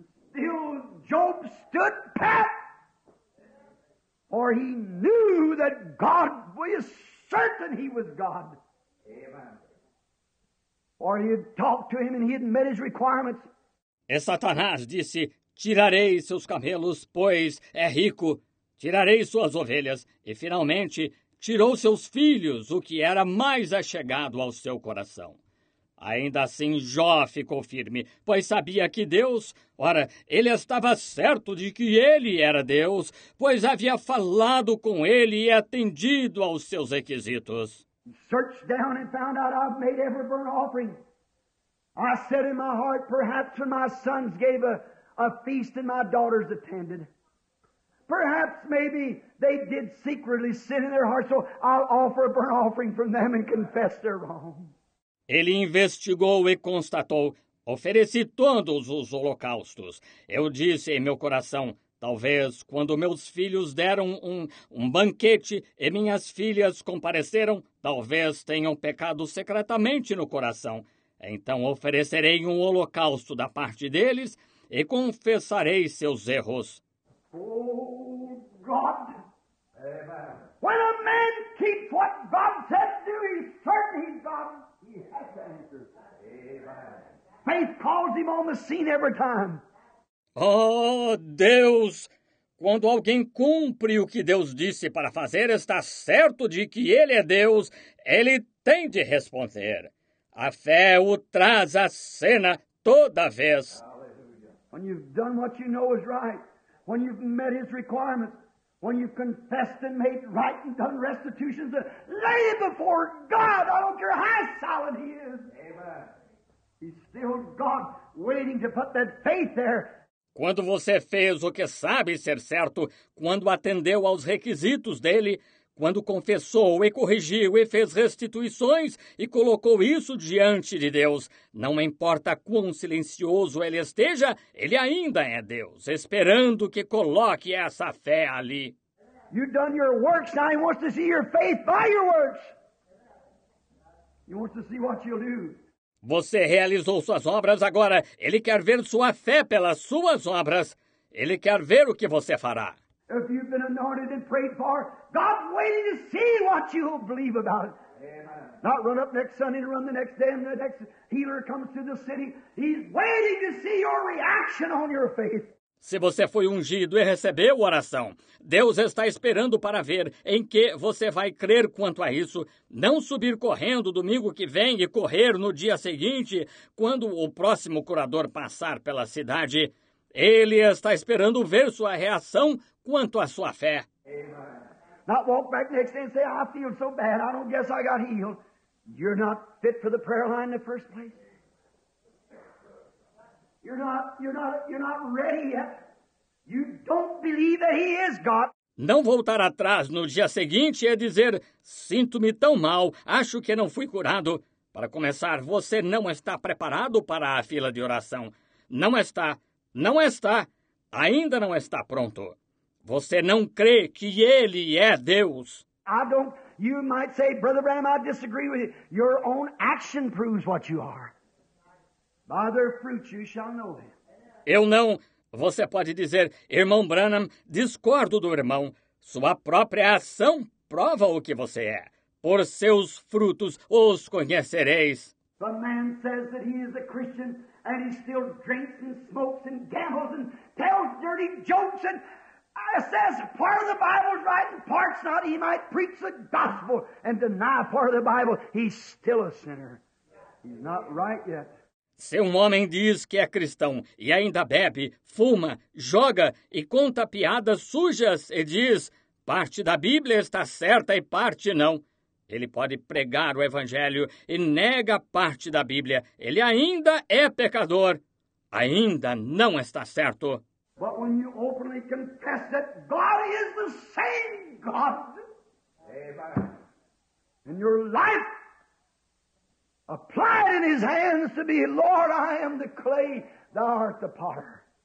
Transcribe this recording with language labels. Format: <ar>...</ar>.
<en>Still Job stood pat. For he knew that God was certain he was God. Amen. For he had talked to him and he had met his requirements.</en> <pt>E Satanás disse, tirarei seus camelos, pois é rico. Tirarei suas ovelhas. E finalmente, tirou seus filhos, o que era mais achegado ao seu coração. Ainda assim, Jó ficou firme, pois sabia que Deus, ora, ele estava certo de que ele era Deus, pois havia falado com ele e atendido aos seus requisitos.</pt> <en>Searched down and found out I've made every burnt offering. I said in my heart, perhaps when my sons gave a feast and my daughters attended. Perhaps maybe they did secretly sin in their hearts, so I'll offer a burnt offering from them and confess their wrong.</en> <pt>Ele investigou e constatou, ofereci todos os holocaustos. Eu disse em meu coração, talvez quando meus filhos deram um banquete e minhas filhas compareceram, talvez tenham pecado secretamente no coração. Então oferecerei um holocausto da parte deles e confessarei seus erros.</pt> <en>Oh, God! Amen. When a man keeps what God said to do, he's certain he's God. He has to answer. Amen. Faith calls him on the scene every time.</en> <pt>Oh, Deus! Quando alguém cumpre o que Deus disse para fazer, está certo de que ele é Deus, ele tem de responder. A fé o traz à cena toda vez.</pt> <en>When you've done what you know is right, when you've met his requirements, when you've confessed and made right and done restitutions, lay it before God. I don't care how solid he is. Amen. He's still God waiting to put that faith there.</en> <pt>Quando você fez o que sabe ser certo, quando atendeu aos requisitos dele, quando confessou e corrigiu e fez restituições e colocou isso diante de Deus, não importa quão silencioso ele esteja, ele ainda é Deus, esperando que coloque essa fé ali.</pt> <en>You've done your works, now he wants to see your faith by your works. He wants to see what you'll do.</en> <pt>Você realizou suas obras, agora ele quer ver sua fé pelas suas obras. Ele quer ver o que você fará.</pt> <en>If you've been anointed and prayed for, God's waiting to see what you'll believe about it. Amen. Not run up next Sunday and run the next day and the next healer comes to the city. He's waiting to see your reaction on your faith.</en> <pt>Se você foi ungido e recebeu oração, Deus está esperando para ver em que você vai crer quanto a isso. Não subir correndo domingo que vem e correr no dia seguinte quando o próximo curador passar pela cidade. Ele está esperando ver sua reação quanto à sua fé.</pt> <en>Amen. Not walk back next day and say, I feel so bad, I don't guess I got healed. You're not fit for the prayer line in the first place. You're not ready yet. You don't believe that he is God.</en> <pt>Não voltar atrás no dia seguinte e dizer, sinto-me tão mal, acho que não fui curado. Para começar, você não está preparado para a fila de oração. Não está. Não está. Ainda não está pronto. Você não crê que ele é Deus.</pt> <en>I don't, you might say, Brother Branham, I disagree with you. Your own action proves what you are. By their fruits you shall know them.</en> <pt>Eu não. Você pode dizer, Irmão Branham, discordo do irmão. Sua própria ação prova o que você é. Por seus frutos os conhecereis.</pt> <en>The man says that he is a Christian and he still drinks and smokes and gambles and tells dirty jokes and says part of the Bible is right and part's not. He might preach the gospel and deny part of the Bible. He's still a sinner. He's not right yet.</en> <pt>Se um homem diz que é cristão e ainda bebe, fuma, joga e conta piadas sujas e diz parte da Bíblia está certa e parte não, ele pode pregar o evangelho e nega parte da Bíblia. Ele ainda é pecador. Ainda não está certo.</pt> <en>But when you openly confess that God is the same God. Amen. And your life applied in his hands to be, Lord, I am the clay, thou art the potter.</en>